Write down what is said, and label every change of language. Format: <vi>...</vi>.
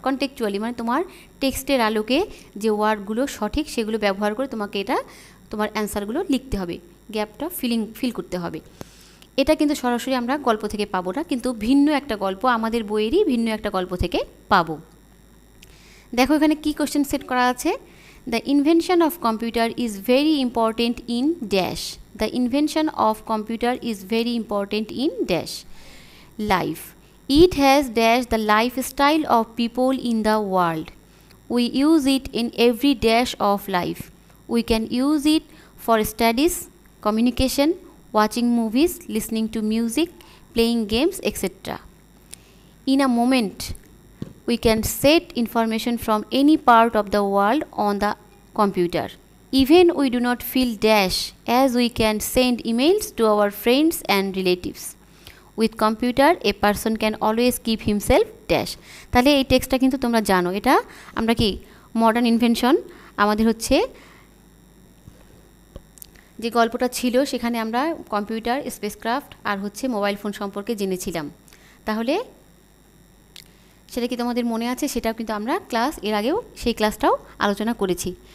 <bn>কন্টেক্সচুয়ালি মানে তোমার টেক্সটের আলোকে যে ওয়ার্ডগুলো সঠিক সেগুলো ব্যবহার করে তোমাকে এটা তোমার অ্যান্সারগুলো লিখতে হবে, গ্যাপটা ফিল করতে হবে। এটা কিন্তু সরাসরি আমরা গল্প থেকে পাবো না, কিন্তু ভিন্ন একটা গল্প আমাদের বইয়েরই ভিন্ন একটা গল্প থেকে পাবো। দেখো এখানে কী কোশ্চেন সেট করা আছে,</bn> <en>The invention of computer is very important in dash. The invention of computer is very important in dash. Life. It has dash the lifestyle of people in the world. We use it in every dash of life. We can use it for studies, communication, watching movies, listening to music, playing games, etc. In a moment, we can set information from any part of the world on the computer. Even we do not feel dash, as we can send emails to our friends and relatives. With computer, a person can always keep himself dash.</en> <bn>তাহলে এই টেক্সটটা কিন্তু তোমরা জানো, এটা আমরা কি modern invention আমাদের হচ্ছে যে গল্পটা ছিল সেখানে আমরা কম্পিউটার, স্পেসক্রাফট আর হচ্ছে মোবাইল ফোন সম্পর্কে জেনেছিলাম। তাহলে সেটা কি তোমাদের মনে আছে? সেটাও কিন্তু আমরা ক্লাস এর আগেও সেই ক্লাসটাও আলোচনা করেছি।</bn>